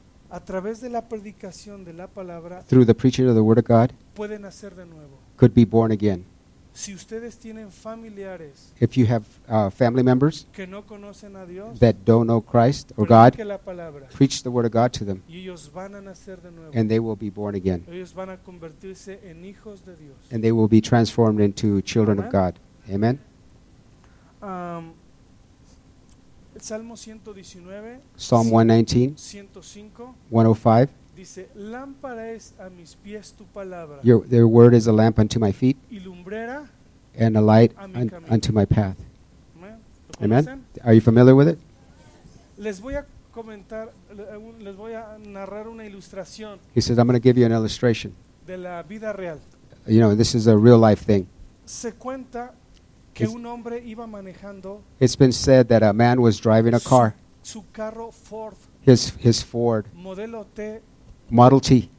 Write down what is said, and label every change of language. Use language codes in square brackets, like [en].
[es] a través de la predicación de la palabra, [en] through the preaching of the word of God, [es] puede nacer de nuevo, [en] could be born again. [es] Si ustedes tienen familiares, [en] if you have family members [es] que no conocen a Dios, [en] that don't know Christ or God, preach the word of God to them, [es] y ellos van a nacer de nuevo, [en] and they will be born again. [es] Ellos van a convertirse en hijos de Dios, [en] and they will be transformed into children Amen. Of God. Amen. [es] Salmo 119, [en] Psalm 119, [es] 105, [en] 105. [es] Dice, lámpara es a mis pies tu palabra. [en] Their word is a lamp unto my feet, [es] y lumbrera, [en] and a light unto my path. Amen. Are you familiar with it? [es] Les voy a comentar, les voy a narrar una ilustración. [en] He says, I'm going to give you an illustration. [es] De la vida real. [en] You know, this is a real life thing. [es] Se cuenta que un hombre iba manejando. [en] It's been said that a man was driving a car. [es] Su carro Ford. [en] His Ford. [es] Modelo T. [en] Model T.